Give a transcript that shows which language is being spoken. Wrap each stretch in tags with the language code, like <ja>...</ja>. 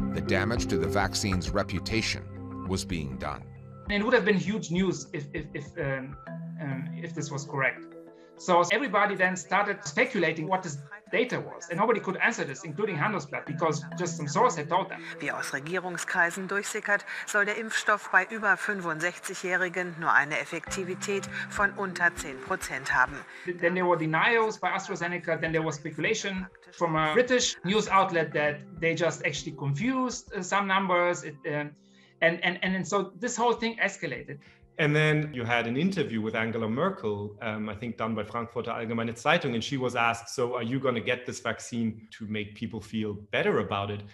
<en>The damage to the vaccine's reputation was being done. It would have been huge news if this was correct. So everybody then started speculating what this data was, and nobody could answer this, including Handelsblatt, because just some source had told them.</en> <de>Wie aus Regierungskreisen durchsickert, soll der Impfstoff bei über 65-Jährigen nur eine Effektivität von unter 10% haben.</de> <en>Then there were denials by AstraZeneca, then there was speculation from a British news outlet that they just actually confused some numbers. And so this whole thing escalated. And then you had an interview with Angela Merkel, I think done by Frankfurter Allgemeine Zeitung, and she was asked, so are you going to get this vaccine to make people feel better about it?</en>